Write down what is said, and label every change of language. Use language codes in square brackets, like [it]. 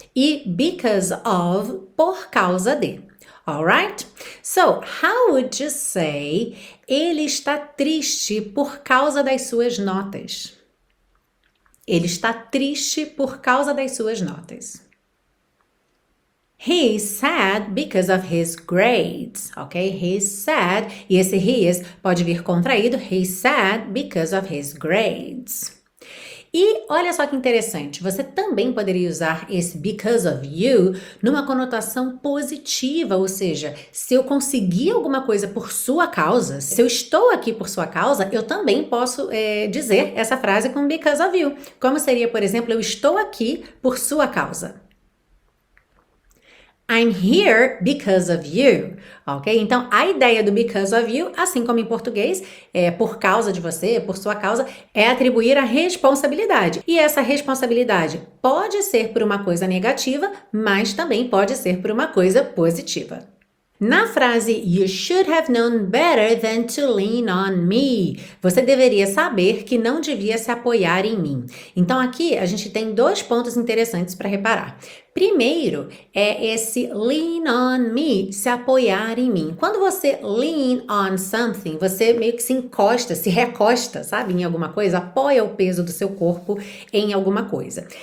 [pt] E because of, por causa de, alright? [en] So, how would you say [pt] ele está triste por causa das suas notas? Ele está triste por causa das suas notas. [en] He's sad because of his grades, ok? He's sad, [pt] e esse [en] he is [pt] pode vir contraído, [en] he's sad because of his grades. [pt] E olha só que interessante, você também poderia usar esse [en] because of you [pt] numa conotação positiva, ou seja, se eu conseguir alguma coisa por sua causa, se eu estou aqui por sua causa, eu também posso dizer essa frase com because of you. Como seria, por exemplo, eu estou aqui por sua causa. [en] I'm here because of you, ok? [pt] Então, a ideia do because of you, assim como em português, é por causa de você, por sua causa, é atribuir a responsabilidade. E essa responsabilidade pode ser por uma coisa negativa, mas também pode ser por uma coisa positiva. Na frase, [en] you should have known better than to lean on me. [pt] Você deveria saber que não devia se apoiar em mim. Então, aqui, a gente tem dois pontos interessantes para reparar. Primeiro, é esse [en] lean on me, [pt] se apoiar em mim. Quando você [en] lean on something, [pt] você meio que se encosta, se recosta, sabe, em alguma coisa, apoia o peso do seu corpo em alguma coisa.